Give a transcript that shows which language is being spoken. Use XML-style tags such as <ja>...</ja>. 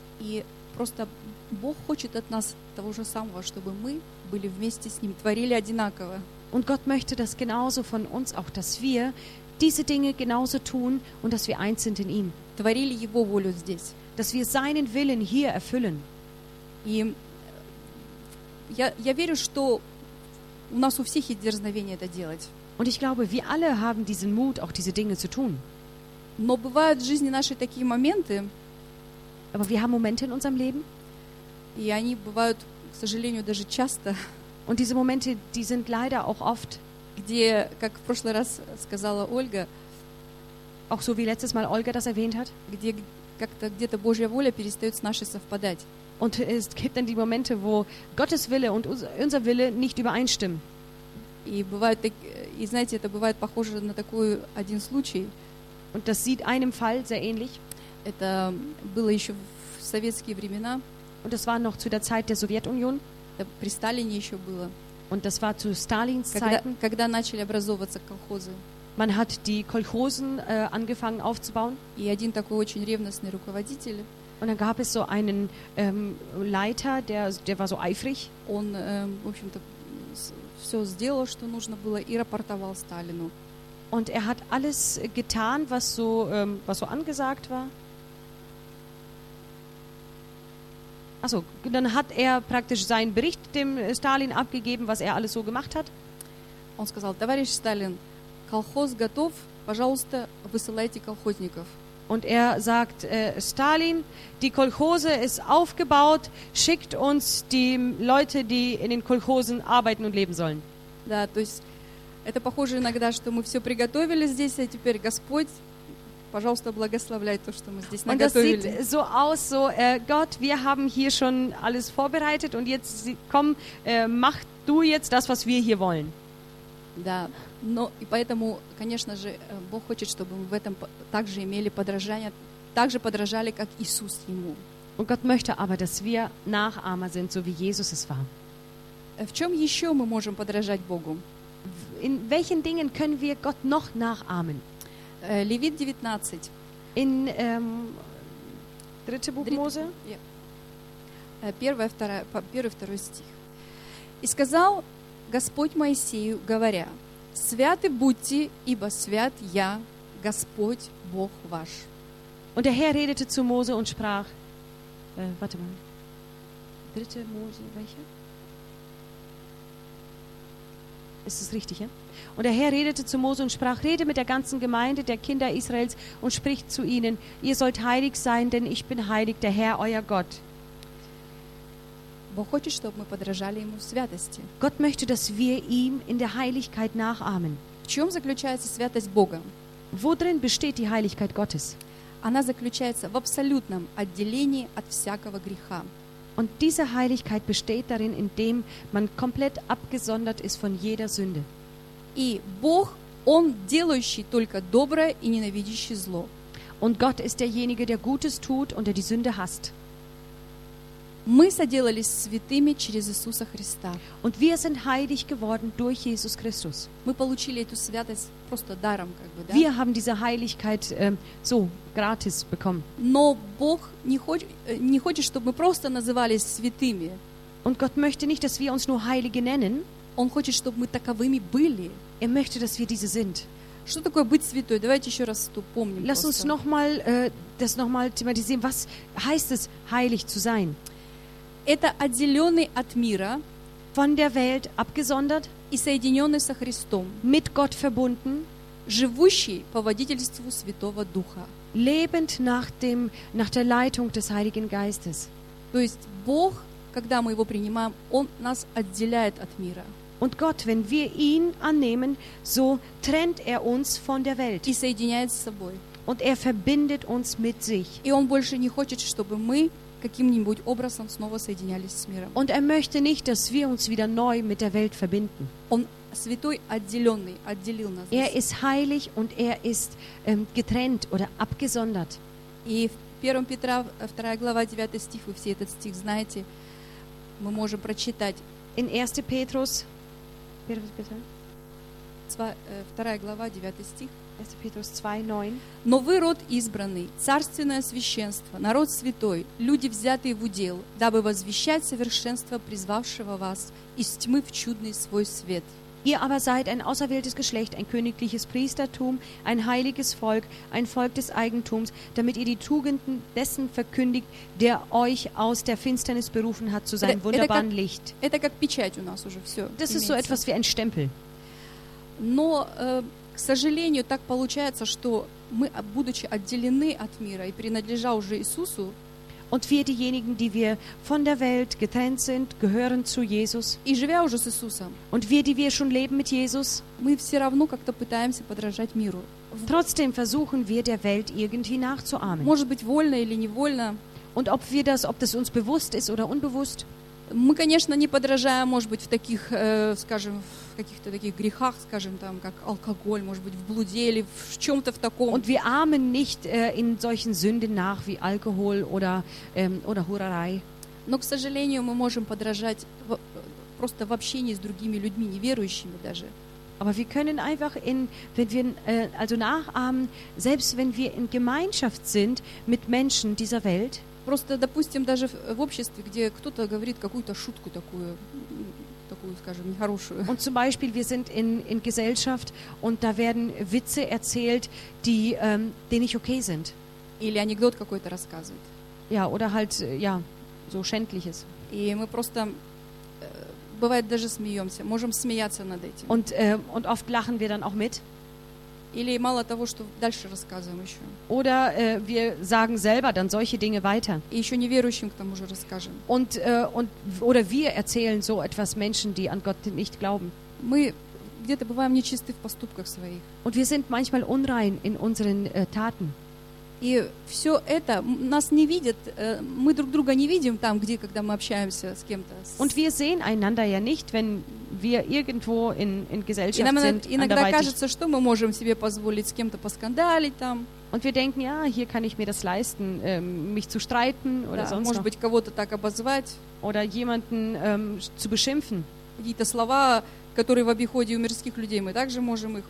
<ru>И просто Бог хочет от нас того же самого, чтобы мы были вместе с ним, творили одинаково.</ru> <de>Und Gott möchte das genauso von uns auch, dass wir diese Dinge genauso tun und dass wir eins sind in ihm.</de> <ru>Творили его волю здесь.</ru> <de>Dass wir seinen Willen hier erfüllen.</de> <ru>И я верю, что у нас у всех есть дерзновение это делать.</ru> <de>Und ich glaube, wir alle haben diesen Mut, auch diese Dinge zu tun.</de> <ru>Но бывают в жизни нашей такие моменты.</ru> <de>Aber wir haben Momente in unserem Leben.</de> <ru>И они бывают, к сожалению, даже часто.</ru> <de>Und diese Momente, die sind leider auch oft.</de> <ru>Где, как в прошлый раз сказала Ольга,</ru> <de>auch so wie letztes Mal Olga das erwähnt hat,</de> <ru>где как-то где-то Божья воля перестает с нашей совпадать.</ru> <de>Und es gibt dann die Momente, wo Gottes Wille und unser Wille nicht übereinstimmen.</de> <ru>И бывает, и знаете, это бывает похоже на такой один случай.</ru> <de>Und das sieht einem Fall sehr ähnlich.</de> <ru>Это было еще в советские времена.</ru> <de>Und das war noch zu der Zeit der Sowjetunion.</de> <ru>Это при Сталине еще было.</ru> <de>Und das war zu Stalins Zeiten.</de> <ru>Когда начали образовываться колхозы.</ru> <de>Man hat die Kolchosen angefangen aufzubauen.</de> <ru>И один такой очень ревностный руководитель.</ru> <de>Und dann gab es so einen Leiter, der war so eifrig.</de> <ru>Он, в общем-то, все сделал, что нужно было, и рапортовал Сталину.</ru> <de>Und er hat alles getan, was so angesagt war. Also, dann hat er praktisch seinen Bericht dem Stalin abgegeben, was er alles so gemacht hat.</de> <ru>Он сказал: "Товарищ Сталин, колхоз готов, пожалуйста, высылайте колхозников."</ru> <de>Und er sagt: "Stalin, die Kolchose ist aufgebaut, schickt uns die Leute, die in den Kolchosen arbeiten und leben sollen."</de> <ru>Да, то есть это похоже иногда, что мы все приготовили здесь, а теперь Господь, пожалуйста, благословляй то, что мы здесь</ru> <de>und</de> <ru>наготовили.</ru> <de>Und das sieht so aus, so, Gott, wir haben hier schon alles vorbereitet und jetzt komm, mach du jetzt das, was wir hier wollen.</de> <ru>Да, но и поэтому, конечно же, Бог хочет, чтобы мы в этом также имели подражание, так же подражали, как Иисус Ему.</ru> <de>Und Gott möchte aber, dass wir Nachahmer sind, so wie Jesus es war.</de> <ru>В чем еще мы можем подражать Богу?</ru> <de>In welchen Dingen können wir Gott noch nachahmen? Levit 19. In dritte Buch Mose.</de> <ru>Первая, вторая, первый, второй стих. И сказал Господь Моисею, говоря: "Святы будьте, ибо свят я, Господь Бог ваш."</ru> <de>Und der Herr redete zu Mose und sprach. Warte mal. Dritte Mose, welche? Ist es richtig, ja? Und der Herr redete zu Mose und sprach: Rede mit der ganzen Gemeinde der Kinder Israels und spricht zu ihnen: Ihr sollt heilig sein, denn ich bin heilig, der Herr, euer Gott.</de> <ru>Бог хочет, чтобы мы подражали ему в святости.</ru> <de>Gott möchte, dass wir ihm in der Heiligkeit nachahmen.</de> <ru>В чем заключается святость Бога?</ru> <de>Worin besteht die Heiligkeit Gottes?</de> <ru>Она заключается в абсолютном отделении от всякого греха.</ru> <de>Und diese Heiligkeit besteht darin, indem man komplett abgesondert ist von jeder Sünde.</de> <ru>И Бог, он делающий только доброе и ненавидящий зло.</ru> <de>Und Gott ist derjenige, der Gutes tut und der die Sünde hasst.</de> <ru>Мы соделались святыми через Иисуса Христа.</ru> <de>Und wir sind heilig geworden durch Jesus Christus.</de> <ru>Мы получили эту святость просто даром, как бы, да?</ru> <de>Wir haben diese Heiligkeit so gratis bekommen.</de> <ru>Но Бог не хочет, чтобы мы просто назывались святыми.</ru> <de>Und Gott möchte nicht, dass wir uns nur Heilige nennen.</de> <ru>Он хочет, чтобы мы таковыми были.</ru> <de>Er möchte, dass wir diese sind.</de> <ru>Что такое быть святой? Давайте еще раз это помним.</ru> <de>Lass uns noch mal thematisieren. Was heißt es, heilig zu sein?</de> <ru>Это отделенный от мира,</ru> <de>von der Welt abgesondert,</de> <ru>и соединенный со Христом,</ru> <de>mit Gott verbunden,</de> <ru>живущий по водительству Святого Духа,</ru> <de>lebend nach der Leitung des Heiligen Geistes.</de> <ru>То есть Бог, когда мы его принимаем, он нас отделяет от мира.</ru> <de>Und Gott, wenn wir ihn annehmen, so trennt er uns von der Welt.</de> <ru>И соединяет с собой.</ru> <de>Und er verbindet uns mit sich.</de> <ru>И он больше не хочет, чтобы мы каким-нибудь образом снова соединялись с миром.</ru> <de>Und er möchte nicht, dass wir uns wieder neu mit der Welt verbinden.</de> <ru>Он святой, отделенный, отделил нас.</ru> <de>Er ist heilig und er ist getrennt oder abgesondert.</de> <ru>И в 1 Петра 2 глава 9 стих, вы все этот стих знаете, мы можем прочитать.</ru> <de>In 1 Petrus</de> <ru>2 глава 9 стих. Петрус 2:9. Но вы род избранный, царственное священство, народ святой, люди взятые в удел, дабы возвещать совершенство призвавшего вас из тьмы в чудный свой свет.</ru> <de>Ihr aber seid ein auserwähltes Geschlecht, ein königliches Priestertum, ein heiliges Volk, ein Volk des Eigentums, damit ihr die Tugenden dessen verkündigt, der euch aus der Finsternis berufen hat zu seinem wunderbaren Licht.</de> <ru>Это как печать у нас уже все.</ru> <de>Das ist so etwas wie ein Stempel.</de> <ru>Но, к к сожалению, так получается, что мы, будучи отделены от мира и принадлежа уже Иисусу,</ru> <de>und wir diejenigen, die wir von der Welt getrennt sind, gehören zu Jesus.</de> <ru>И живя уже с Иисусом.</ru> <de>Und wir, die wir schon leben mit Jesus,</de> <ru>мы все равно как-то пытаемся подражать миру.</ru> <de>Trotzdem versuchen wir der Welt irgendwie nachzuahmen.</de> <ru>Может быть, вольно или невольно.</ru> <de>Und ob wir das, ob das uns bewusst ist oder unbewusst,</de> <ru>мы, конечно, не подражаем, может быть, в таких, скажем, в каких-то таких грехах, скажем, там, как алкоголь, может быть, в блуде или в чем-то в таком.</ru> <de>Und wir ahmen nicht in solchen Sünden nach wie Alkohol oder oder Hurerei.</de> <ru>Но, к сожалению, мы можем подражать просто в общении с другими людьми, неверующими даже.</ru> <de>Aber wir können einfach in, wenn wir also nachahmen, selbst wenn wir in Gemeinschaft sind mit Menschen dieser Welt.</de> <ru>Просто, допустим, даже в обществе, где кто-то говорит какую-то шутку такую, такую, скажем, нехорошую.</ru> <de>Und zum Beispiel, wir sind in Gesellschaft und da werden Witze erzählt, die, die nicht okay sind.</de> <ru>Или анекдот какой-то рассказывает.</ru> <de>Ja, oder halt, ja, so Schändliches.</de> <ru>И мы просто, бывает, даже смеемся, можем смеяться над этим.</ru> <de>Und oft lachen wir dann auch mit.</de> <ru>Или мало того, что дальше рассказываем еще.</ru> <de>Oder wir sagen selber dann solche Dinge weiter.</de> <ru>И еще неверующим к тому же расскажем.</ru> <de>Und oder wir erzählen so etwas Menschen, die an Gott nicht glauben.</de> <ru>Мы где-то бываем нечисты в поступках своих.</ru> <de>Und wir sind manchmal unrein in unseren Taten.</de> <ru>И все это нас не видят, мы друг друга не видим там, где, когда мы общаемся с кем-то.</ru> <de>Und wir sehen einander ja nicht, wenn wir irgendwo in Gesellschaft</de> <ru>иногда,</ru> <de>sind.</de> <ru>Иногда кажется, что мы можем себе позволить с кем-то поскандалить там.</ru> <de>Und wir denken, ja, hier kann ich mir das leisten, mich zu streiten oder</de> <ru>да,</ru> <de>sonst</de> <ru>может</ru> <de>noch.</de> <ru>Быть, кого-то так обозвать.</ru> <de>Oder jemanden zu beschimpfen.</de> <ru>Какие-то слова, которые в обиходе у мирских людей, мы также можем их</ru>